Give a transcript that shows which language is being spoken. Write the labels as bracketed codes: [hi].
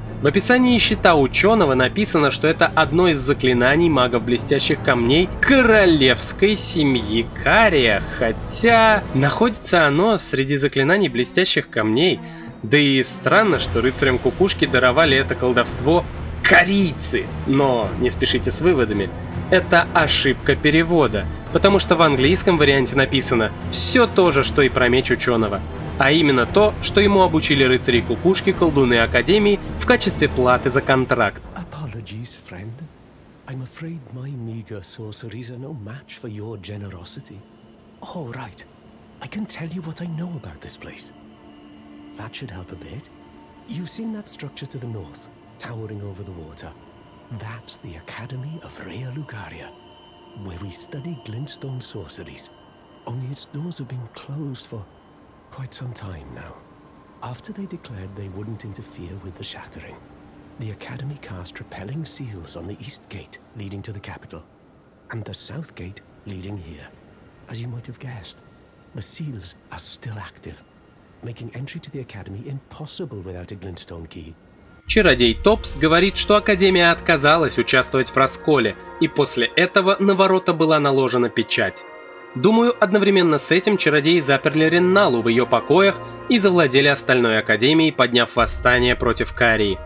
[ru] В описании щита ученого написано, что это одно из заклинаний магов блестящих камней королевской семьи Кария, хотя находится оно среди заклинаний блестящих камней, да и странно, что рыцарям кукушки даровали это колдовство корийцы, но не спешите с выводами, это ошибка перевода, потому что в английском варианте написано все то же, что и про меч ученого, а именно то, что ему обучили рыцари кукушки колдуны Академии в качестве платы за контракт. [en] Apologies, friend. I'm afraid my meager sorceries are no match for your generosity. Oh, right. I can tell you what I know about this place. That should help a bit. You've seen that structure to the north, towering over the water. That's the Academy of Rhea Lucaria, where we study Glintstone sorceries. Only its doors have been closed for quite some time now. After they declared they wouldn't interfere with the Shattering, the Academy cast repelling seals on the east gate leading to the capital, and the south gate leading here. As you might have guessed, the seals are still active, making entry to the Academy impossible without a Glintstone key. [ru] Чародей Топс говорит, что Академия отказалась участвовать в расколе, и после этого на ворота была наложена печать. Думаю, одновременно с этим чародеи заперли Ренналу в ее покоях и завладели остальной Академией, подняв восстание против Карии.